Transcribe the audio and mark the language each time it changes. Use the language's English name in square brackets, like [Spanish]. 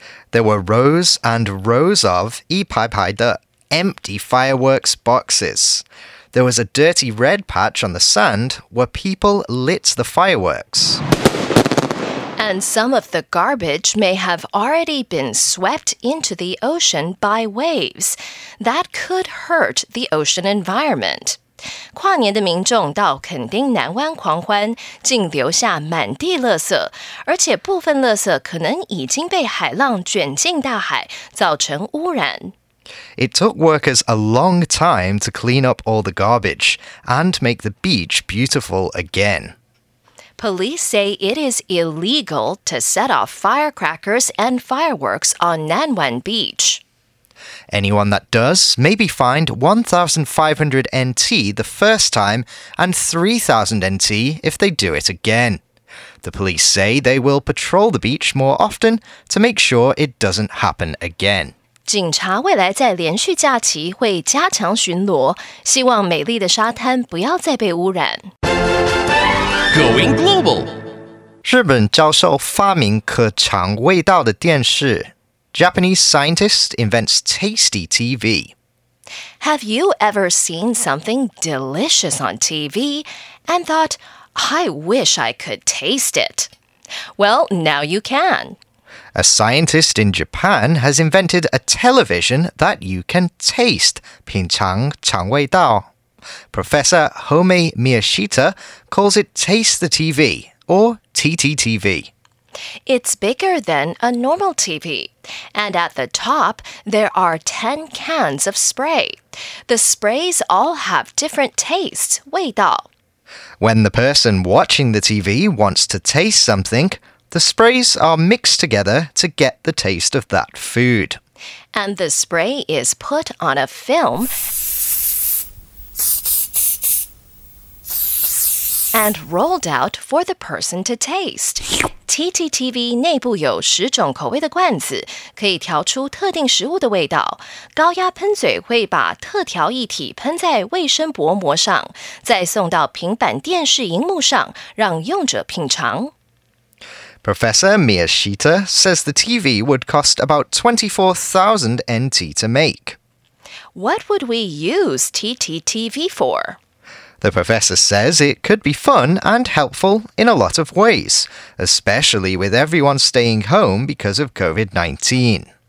[English] There were rows and rows of [Chinese] 一排排的 [English] empty fireworks boxes. There was a dirty red patch on the sand where people lit the fireworks. And some of the garbage may have already been swept into the ocean by waves. That could hurt the ocean environment. [Chinese] 跨年的民众到垦丁南湾狂欢，竟留下满地垃圾，而且部分垃圾可能已经被海浪卷进大海，造成污染。 [English] It took workers a long time to clean up all the garbage and make the beach beautiful again. Police say it is illegal to set off firecrackers and fireworks on Nanwen Beach. Anyone that does may be fined 1,500 NT the first time and 3,000 NT if they do it again. The police say they will patrol the beach more often to make sure it doesn't happen again. [Chinese] 警察未来在连续假期会加强巡逻，希望美丽的沙滩不要再被污染。 [English] Going global， [Chinese] 日本教授发明可尝味道的电视。 [English] Japanese scientist invents tasty TV. Have you ever seen something delicious on TV and thought, I wish I could taste it? Well, now you can. A scientist in Japan has invented a television that you can taste, [Chinese] 品尝尝味道。 [English] Professor Home Miyashita calls it Taste the TV, or TTTV. It's bigger than a normal TV, and at the top, there are 10 cans of spray. The sprays all have different tastes, [Chinese] 味道。 [English] When the person watching the TV wants to taste something,The sprays are mixed together to get the taste of that food. And the spray is put on a film and rolled out for the person to taste. [Chinese] TTTV 内部有十种口味的罐子，可以调出特定食物的味道。高压喷嘴会把特调液体喷在卫生薄膜上，再送到平板电视荧幕上，让用者品尝。 [English] Professor Miyashita says the TV would cost about 24,000 NT to make. What would we use TTTV for? The professor says it could be fun and helpful in a lot of ways, especially with everyone staying home because of COVID-19.